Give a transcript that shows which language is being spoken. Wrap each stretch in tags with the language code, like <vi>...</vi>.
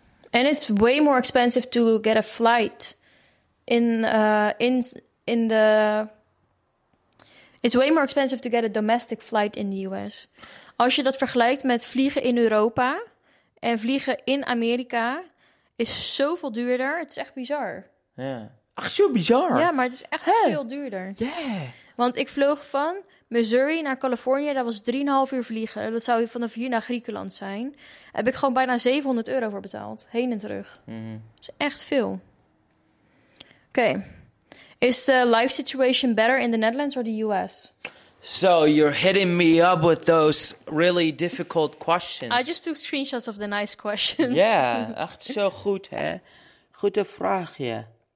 <en>And it's way more expensive to get a flight it's way more expensive to get a domestic flight in the US.</en> <nl>Als je dat vergelijkt met vliegen in Europa en vliegen in Amerika, is zoveel duurder. Het is echt bizar. Ja. Ach, zo bizar. Ja, maar het is echt veel duurder.</nl> <en>Yeah.</en> <nl>Want ik vloog van Missouri naar Californië, dat was 3,5 uur vliegen. Dat zou vanaf hier naar Griekenland zijn. Daar heb ik gewoon bijna €700 voor betaald. Heen en terug. Mm-hmm. Dat is echt veel. Okay.</nl> <en>Is the life situation better in the Netherlands or the US? So you're hitting me up with those really difficult questions. I just took screenshots of the nice questions.</en> <nl>Ja, echt zo goed, hè? Goede vraag, ja.</nl>